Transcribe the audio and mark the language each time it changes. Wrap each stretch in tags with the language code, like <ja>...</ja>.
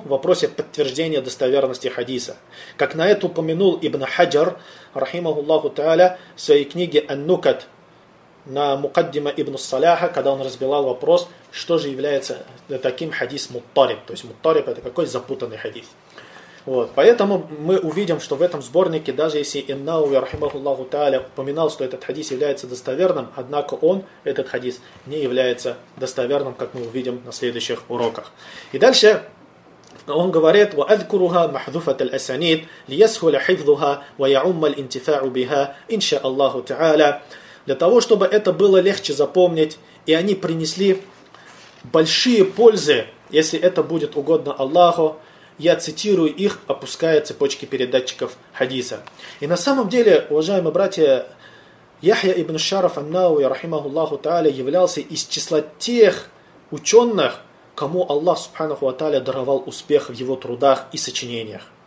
<ru>В вопросе подтверждения достоверности хадиса. Как на это упомянул Ибн Хаджар, рахимахуллаху тааля, в своей книге «Ан-Нукат» на Мукаддима Ибн Саляха, когда он разбивал вопрос, что же является таким хадис муттариб. То есть муттариб – это какой запутанный хадис. Вот. Поэтому мы увидим, что в этом сборнике, даже если Ан-Науи, рахимахуллаху тааля, упоминал, что этот хадис является достоверным, однако он, этот хадис, не является достоверным, как мы увидим на следующих уроках. И дальше он говорит:</ru> <ar>وَأَذْكُرُهَا مَحْذُفَةَ الْأَسَانِيدِ لِيَسْهُلَ حِفْظُهَا وَيَعُمَّ الْإِنْتِفَاعُ بِهَا إِنْشَاءَ اللَّهُ تَعَالَى.</ar> <ru>Для того, чтобы это было легче запомнить, и они принесли большие пользы, если это будет угодно Аллаху, я цитирую их, опуская цепочки передатчиков хадиса. И на самом деле, уважаемые братья, Яхья ибн Шараф ан-Науи, рахимахуллаху тааля, являлся из числа тех ученых, кому Аллах, субханаху ва тааля, даровал успех в его трудах и сочинениях.</ru>